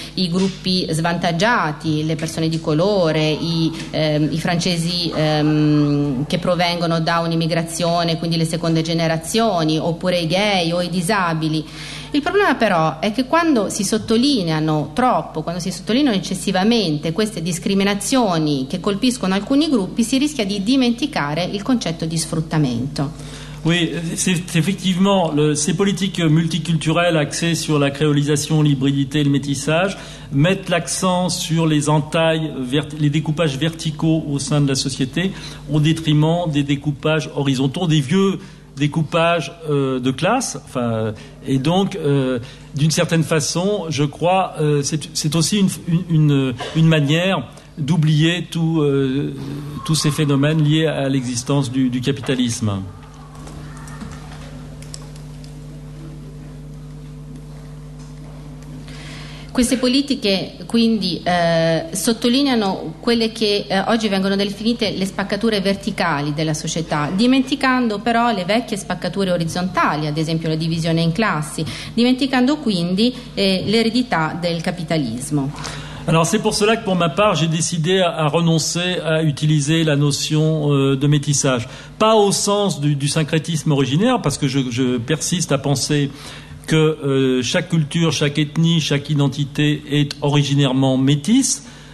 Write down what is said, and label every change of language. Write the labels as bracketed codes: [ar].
[it] i gruppi svantaggiati, le persone di colore, i francesi che provengono da un'immigrazione, quindi le seconde generazioni, oppure i gay o i disabili. Il problema però è che quando si sottolineano troppo, quando si sottolineano eccessivamente queste discriminazioni che colpiscono alcuni gruppi, si rischia di dimenticare il concetto di sfruttamento. [fr] Oui, c'est effectivement ces politiques multiculturelles axées sur la créolisation, l'hybridité, le métissage mettent l'accent sur les entailles, les découpages verticaux au sein de la société au détriment des découpages horizontaux, des vieux découpage de classe, enfin, et donc d'une certaine façon, je crois, c'est aussi une manière d'oublier tous ces phénomènes liés à l'existence du capitalisme. [it] Queste politiche quindi sottolineano quelle che oggi vengono definite le spaccature verticali della società, dimenticando però le vecchie spaccature orizzontali, ad esempio la divisione in classi, dimenticando quindi l'eredità del capitalismo. [fr] Alors c'est pour cela que pour ma part j'ai décidé à renoncer à utiliser la notion de métissage, pas au sens du syncrétisme originaire, parce que je persiste à penser que chaque culture, chaque ethnie, chaque identité est originairement métisse